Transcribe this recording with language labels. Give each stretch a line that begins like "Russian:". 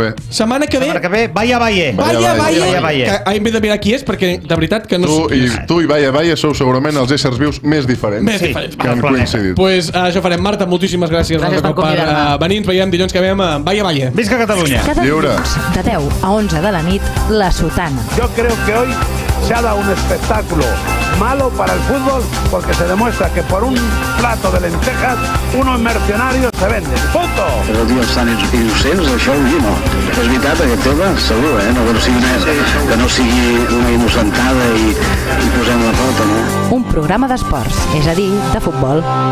Catalan: Setmana que ve. Vaya, vaya. Hem de mirar qui és, perquè de veritat que no... Tu i vaya, vaya sou segurament els éssers vius més diferents. Més diferents. Que han coincidit. Pues això farem. Marta, moltíssimes gràcies. Gràcies per convidar-me. Venir, ens veiem dilluns que ve amb vaya, vaya. Visca Catalunya. Cada dilluns, de 10 a 11 de la nit, la sotana.
Spanish: Yo creo que hoy se ha dado un espectáculo malo para el fútbol, porque se demuestra que por un plato de lentejas unos mercenarios se venden. ¡Punto!
Catalan: Però, tio, estan innocents, això, no? És veritat, aquest tema? Segur, eh? No, que, no sigui una, que no sigui una innocentada i posem la pota, no? Un programa d'esports, és a dir, de futbol.